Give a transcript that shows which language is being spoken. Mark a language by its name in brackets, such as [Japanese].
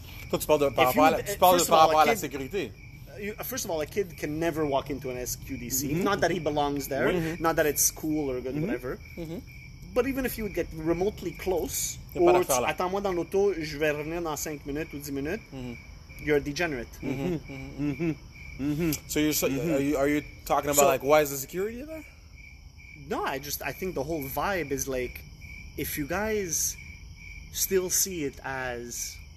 [French] Toi, tu parles de par rapport à la, tu parles de par rapport à la sécurité. [English] First of all, a kid can never walk into an SQDC. Mm-hmm. Not that he belongs there, mm-hmm. not that it's cool or good, mm-hmm. whatever. Mm-hmm. But even if you would get remotely close, or [French] attends-moi dans l'auto, je vais revenir dans 5 minutes ou 10 minutes, mm-hmm. [English] you're a degenerate. Mm-hmm. Mm-hmm. Mm-hmm. So, you're so mm-hmm. are you talking about, so, like, why is the security there? No, I think the whole vibe is like, if you guys still see it as